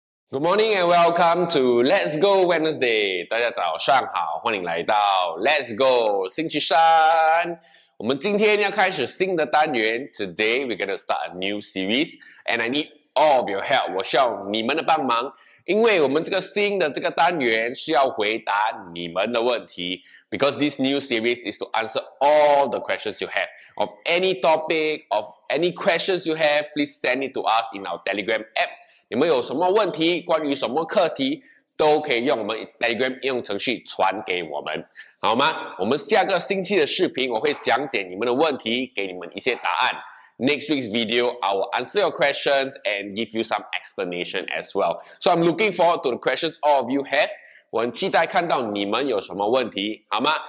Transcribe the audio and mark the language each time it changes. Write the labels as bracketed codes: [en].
[en] Good morning and welcome to Let's Go Wednesday. [zh] 大家早上好，欢迎来到 Let's Go 星期三。我们今天要开始新的单元。 [en] Today we're going to start a new series and I need all of your help. [zh] 我需要你们的帮忙，因为我们这个新的这个单元是要回答你们的问题。 [en] Because this new series is to answer all the questions you have. Of any topic, of any questions you have, please send it to us in our Telegram app. [zh] 你们有什么问题，关于什么课题，都可以用我们 Telegram 应用程序传给我们，好吗？我们下个星期的视频，我会讲解你们的问题，给你们一些答案。 [en] Next week's video, I will answer your questions and give you some explanation as well. So I'm looking forward to the questions all of you have. [zh] 我很期待看到你们有什么问题，好吗？